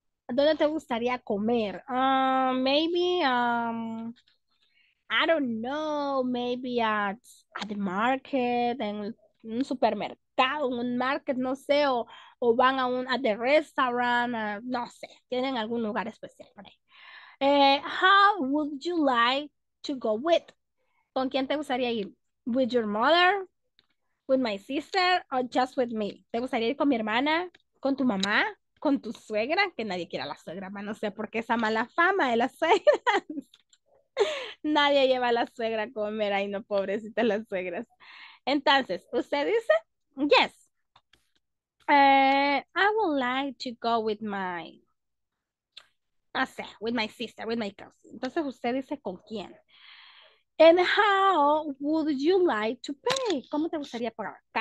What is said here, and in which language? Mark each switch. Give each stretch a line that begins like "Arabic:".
Spanish: ¿Dónde te gustaría comer?
English: I don't know, maybe at the market,
Spanish: en un supermercado, en un market, no sé, o van a un,
English: at the restaurant,
Spanish: no sé, tienen algún lugar especial por ahí.
English: How would you like to go with?
Spanish: ¿Con quién te gustaría ir?
English: With your mother, with my sister, or just with me?
Spanish: ¿Te gustaría ir con mi hermana, con tu mamá, con tu suegra? Que nadie quiera la suegra, man. No sé por qué esa mala fama de la suegra. Nadie lleva a la suegra a comer, ay no, pobrecita las suegras. Entonces, usted dice,
English: yes, I would like to go with my,
Spanish: no sé,
English: with my sister, with my cousin.
Spanish: Entonces usted dice, ¿con quién?
English: And how would you like to pay?
Spanish: ¿Cómo te gustaría pagar?